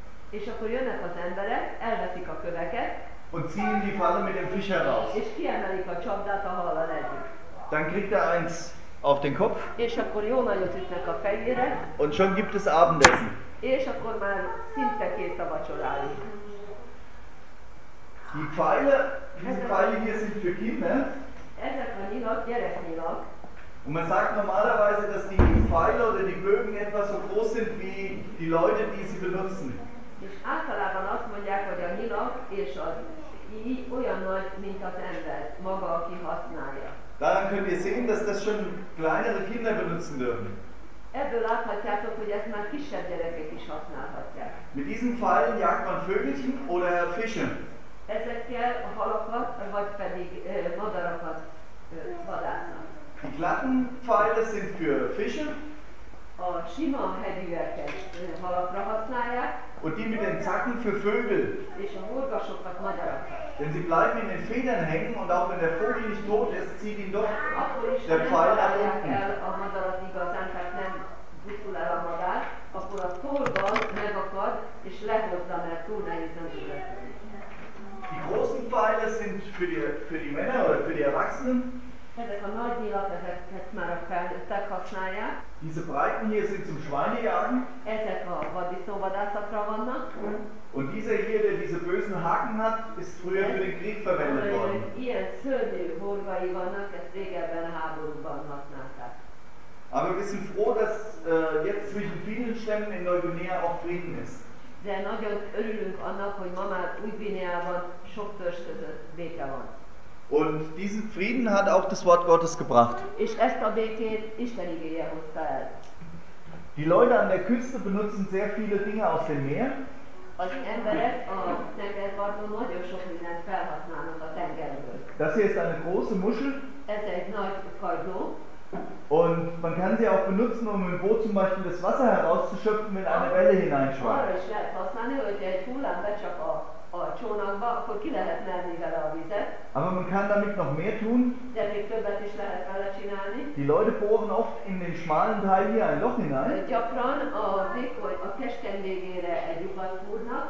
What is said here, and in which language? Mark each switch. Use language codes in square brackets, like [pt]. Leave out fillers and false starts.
[hu] És akkor jönnek az emberek, elveszik a köveket. [de] Und ziehen die Falle mit dem Fisch heraus. [hu] És kiemelik a csapdát a halal együtt. [de] Dann kriegt er eins auf den Kopf. [hu] És akkor jó nagyot ütnek a fejére. [de] Und schon gibt es Abendessen. [hu] És akkor már szinte kész a vacsorára. [de] Die Pfeile, diese Pfeile hier sind für Kinder. [hu] Ezek a nyilak, gyereknyilak. [de] Und man sagt normalerweise, dass die Pfeile oder die Bögen etwa so groß sind wie die Leute, die sie benutzen. [hu] És általában azt mondják, hogy a nyilak és az íj olyan nagy, mint az ember maga, aki használja. [de] Daran könnt ihr sehen, dass das schon kleinere Kinder benutzen dürfen. [hu] Ebből láthatjátok, hogy ezt már kisebb gyerekek is használhatják. [de] Mit diesen Pfeilen jagt man Vögelchen oder Fische. [hu] Ezekkel a halakat, vagy pedig madarakat vadásznak. [de] Die glatten Pfeile sind für Fische. [hu] A sima hegyűeket halakra használják. [de] Und die mit den Zacken für Vögel. [hu] És a horgasokat madarakat. [de] Denn sie bleiben in den Federn hängen und auch wenn der Vogel nicht tot ist, zieht ihn doch [hu] akkor is [de] der Pfeil nach unten. [hu] Akkor is nem találják el a madarat igazán, tehát nem buszul el a madár, akkor a torban megakad és lehozza, mert túl nehéz az ügyet. [de] Die großen Pfeile sind für die Männer oder für die Erwachsenen. [hu] Ezek a nagy nyilak, ezeket már a felnőttek használják. [de] Diese breiten hier sind zum Schweinejagen. [hu] Ezek a vadisznóvadászatra vannak. [de] Und dieser hier, der diese bösen Haken hat, ist früher für den Krieg verwendet worden. [hu] Ilyen szörnyű horgai vannak, ezt régebben a háborúban használták. [de] Aber wir sind froh, dass jetzt zwischen vielen Stämmen in Neuguinea auch Frieden ist. [hu] De nagyon örülünk annak, hogy ma már Új-Guineában sok törzs között béke van. [de] Und diesen Frieden hat auch das Wort Gottes gebracht. [hu] És ezt a békét Isten igéje hozta el. [de] Die Leute an der Küste benutzen sehr viele Dinge aus dem Meer. [hu] Az emberek a tengerparton nagyon sok mindent felhasználnak a tengerből. [de] Das hier ist eine große Muschel. [hu] Ez egy nagy kajdó. [de] Und man kann sie auch benutzen, um im Boot zum Beispiel das Wasser herauszuschöpfen, wenn eine Welle hineinschwappt. [hu] Arra is lehet használni, hogy egy hullám becsap a csónakba, akkor ki lehet merni vele a vizet. [de] Aber man kann damit noch mehr tun. [hu] De még többet is lehet vele csinálni. [de] Die Leute bohren oft in den schmalen Teil hier ein Loch hinein. [hu] Gyakran a keskeny végére egy lyukat fúrnak.